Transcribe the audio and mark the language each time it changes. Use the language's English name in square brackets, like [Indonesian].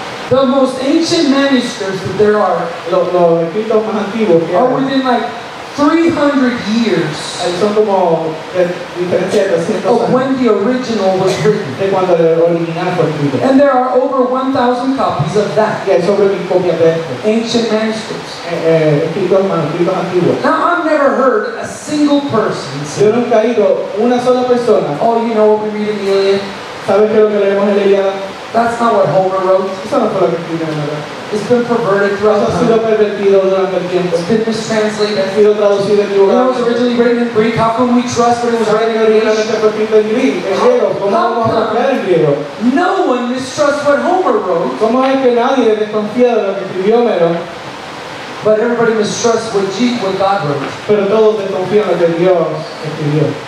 [English] The most ancient manuscripts that there are are within like 300 years of when the original was written. And there are over 1,000 copies of that. [Spanish] Que es sobre mis copias de esto. [English] Ancient manuscripts. [Spanish] Escritos manuscritos antiguos. [English] Now I've never heard a single person. [Spanish] Yo nunca he oído una sola persona. [English] Oh, you know what we read in the Iliad? [Spanish] ¿Sabes qué es lo que leemos en la Ilíada? [English] That's not what Homer wrote. [Spanish] Eso no fue lo que escribió en la Ilíada. [English] It's been perverted throughout time. [Spanish] Pervertido durante el tiempo. [English] It's been mistranslated. [Spanish] Ha sido traducido en lugar. [English] It was originally written in Greek. How can we trust that it was written in Greek? No one mistrusts what Homer wrote. [Spanish] ¿Cómo es que nadie desconfía de lo que escribió Homero? [English] But everybody mistrusts what God wrote. [Spanish] Pero todos desconfían de lo que Dios escribió.